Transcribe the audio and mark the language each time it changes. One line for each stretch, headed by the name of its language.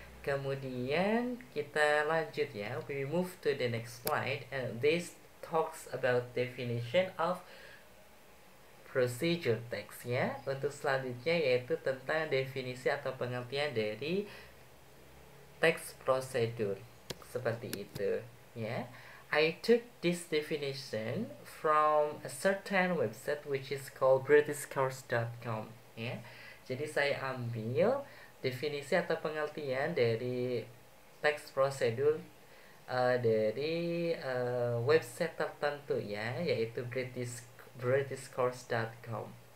Indonesian: Kemudian kita lanjut ya,
English: we move to the next slide and this talks about definition of procedure text ya.
Indonesian: Untuk selanjutnya yaitu tentang definisi atau pengertian dari teks prosedur seperti itu ya.
English: I took this definition from a certain website which is called britishcourse.com ya.
Indonesian: Jadi saya ambil definisi atau pengertian dari teks prosedur dari website tertentu ya, yaitu britishcourse.com.